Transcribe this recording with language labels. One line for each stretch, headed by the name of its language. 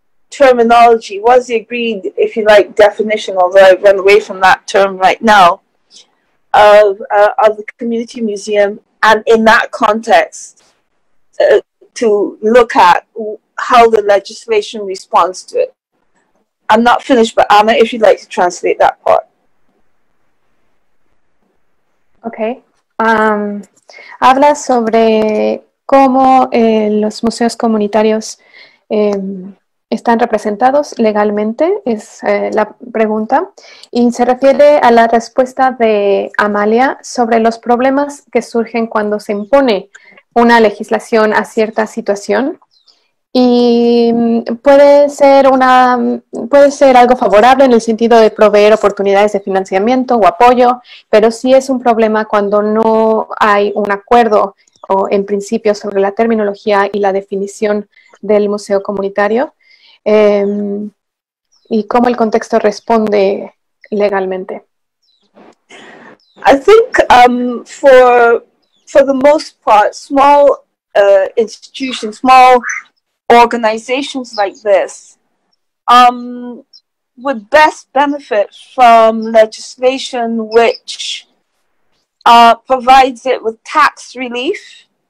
English: terminology, was the agreed, if you like, definition, although I've run away from that term right now, of the community museum, and in that context, to look at how the legislation responds to it. I'm not finished, but Anna, if you'd like to translate that part. Okay.
Spanish: Habla sobre cómo los museos comunitarios están representados legalmente, es la pregunta, y se refiere a la respuesta de Amalia sobre los problemas que surgen cuando se impone una legislación a cierta situación, y puede ser algo favorable en el sentido de proveer oportunidades de financiamiento o apoyo, pero sí es un problema cuando no hay un acuerdo o en principio sobre la terminología y la definición del museo comunitario, y cómo el contexto responde legalmente.
English: I think for the most part, small institutions, small organizations like this would best benefit from legislation which provides it with tax relief,